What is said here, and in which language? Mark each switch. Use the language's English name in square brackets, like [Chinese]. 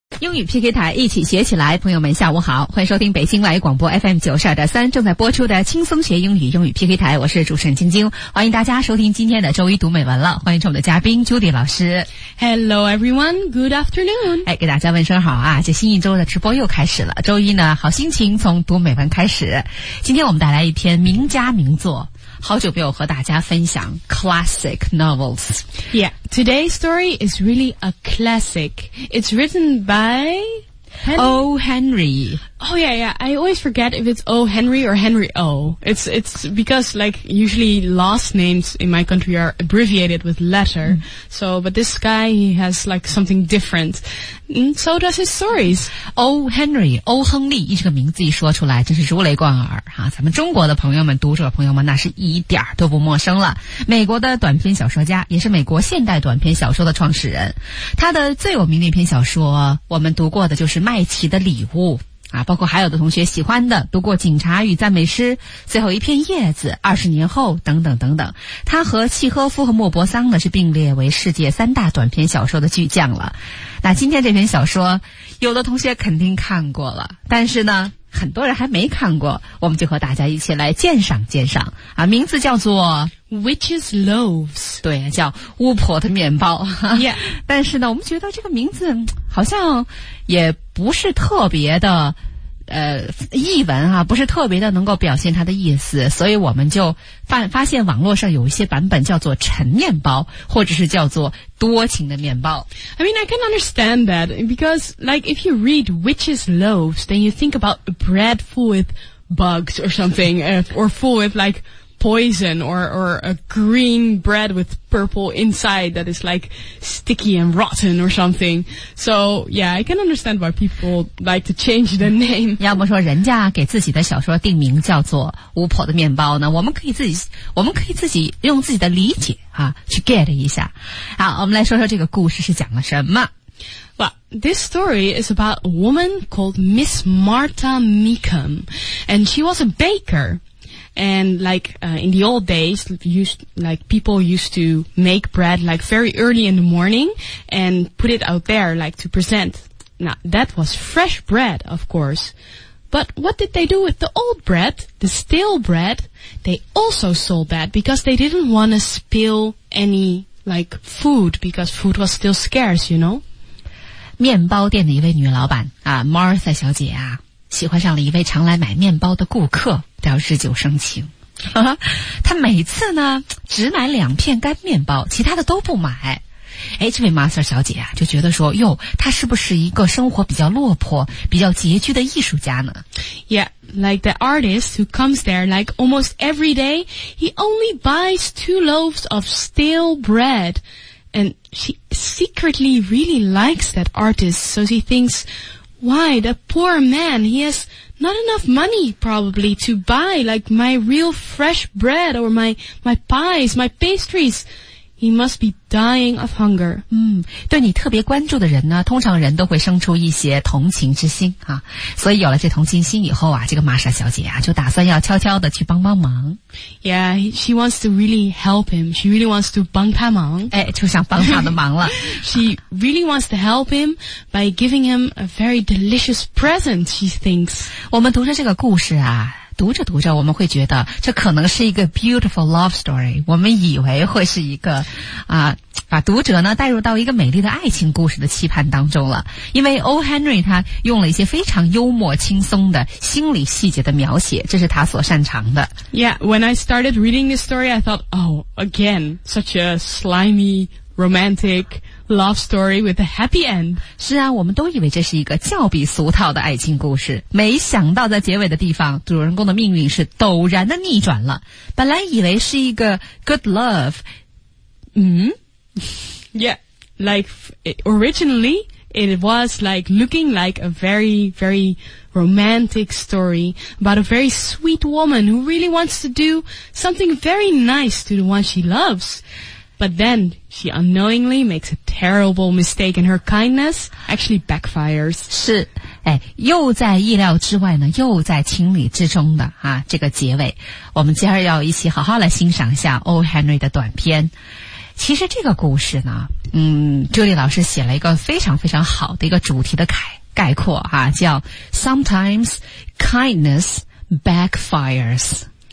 [Chinese] 英语 PK 台一起学起来，朋友们下午好，欢迎收听北京外语广播 FM92.3 正在播出的轻松学英语英语 PK 台，我是主持人晶晶，欢迎大家收听今天的周一读美文了，欢迎我们的嘉宾 Judy 老师。 [English] Hello everyone, good afternoon. [Chinese] 哎，给大家问声好啊，这新一周的直播又开始了，周一呢，好心情从读美文开始。今天我们带来一篇名家名作，好久没有和大家分享 [English] classic novels. Yeah, today's story is really a classic. It's written by O. Henry. Oh yeah, yeah. I always forget if it's O. Henry or Henry O. It's because like usually last names in my country are abbreviated with letter. Mm. So, but this guy, he has like something different. And so does his stories. O. Henry, O. [Chinese] 亨利，一这个名字一说出来，真是如雷贯耳哈、啊！咱们中国的朋友们、读者朋友们，那是一点都不陌生了。美国的短篇小说家，也是美国现代短篇小说的创始人。他的最有名的一篇小说，我们读过的就是《麦琪的礼物》。啊，包括还有的同学喜欢的，读过《警察与赞美诗》，最后一片叶子，二十年后，等等等等。他和契诃夫和莫泊桑呢，是并列为世界三大短篇小说的巨匠了。那今天这篇小说，有的同学肯定看过了，但是呢，很多人还没看过，我们就和大家一起来鉴赏鉴赏。啊，名字叫做 [English] Witch's Loaves. [Chinese] 对，叫巫婆的面包。 [English] Yeah. [Chinese] 但是呢，我们觉得这个名字好像也不是特别的译文啊，不是特别的能够表现它的意思，所以我们就发现网络上有一些版本叫做陈面包，或者是叫做多情的面包。 [English] I mean, I can understand that, because like if you read Witch's Loaves, then you think about bread full with bugs or something, or full with likePoison or a green bread with purple inside that is like sticky and rotten or something. So yeah, I can understand why people like to change the name. [Chinese] 要么说人家给自己的小说定名叫做巫婆的面包呢，我们可以自己用自己的理解啊去 get 一下。好，我们来说说这个故事是讲了什么。 [English] Well, this story is about a woman called Miss Martha Meekham, and she was a baker. And like, in the old days, people used to make bread like very early in the morning and put it out there like to present. Now, that was fresh bread, of course. But what did they do with the old bread, the stale bread? They also sold that because they didn't want to spill any like food because food was still scarce, you know? [Chinese] 面包店的一位女老板啊 ,Martha 小姐啊。喜欢上了一位常来买面包的顾客，叫日久生情。他每次呢，只买两片干面包，其他的都不买。哎，这位 Master 小姐啊，就觉得说，哟，他是不是一个生活比较落魄、比较拮据的艺术家呢 [English] ？Yeah, like the artist who comes there like almost every day, he only buys 2 loaves of stale bread, and she secretly really likes that artist, so she thinks. Why, the poor man, he has not enough money, probably, to buy, like, my real fresh bread, or my pies, my pastries. He must be dying of hunger. [Chinese] 对你特别关注的人呢，通常人都会生出一些同情之心啊。所以有了这同情心以后啊，这个玛莎小姐啊，就打算要悄悄地去帮帮忙。 [English] Yeah, she wants to really help him. She really wants to [Chinese] 帮他忙。哎，就想帮他的忙了。 [English] She really wants to help him by giving him a very delicious present, she thinks. [Chinese] 我们读着这个故事啊，读着读着我们会觉得这可能是一个 [English] beautiful love story, [Chinese] 我们以为会是一个啊，把读者呢带入到一个美丽的爱情故事的期盼当中了，因为 O. Henry 他用了一些非常幽默轻松的心理细节的描写，这是他所擅长的。 [English] Yeah, when I started reading this story, I thought, oh, again, such a slimy, romanticLove story with a happy end. [Chinese] 是啊，我们都以为这是一个较比俗套的爱情故事，没想到在结尾的地方，主人公的命运是陡然的逆转了。本来以为是一个 [English] good love. Yeah, like originally it was like looking like a very, very romantic story about a very sweet woman who really wants to do something very nice to the one she loves. But then, she unknowingly makes a terrible mistake and her kindness actually backfires. [Chinese] 是，哎，又在意料之外呢，又在情理之中的啊，这个结尾。我们今儿要一起好好来欣赏一下 O. Henry 的短篇。其实这个故事呢，Julie老师写了一个非常非常好的一个主题的概括啊，叫 [English] Sometimes kindness backfires.